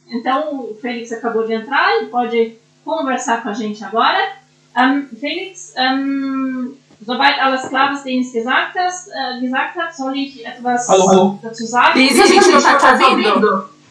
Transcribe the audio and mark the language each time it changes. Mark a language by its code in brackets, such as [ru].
[pt] Então, o Félix acabou de entrar, ele pode conversar com a gente agora. [de] Félix, sobald alles klar, was du gesagt hast, soll ich etwas dazu sagen? [pt] Isso, a gente não está vendo.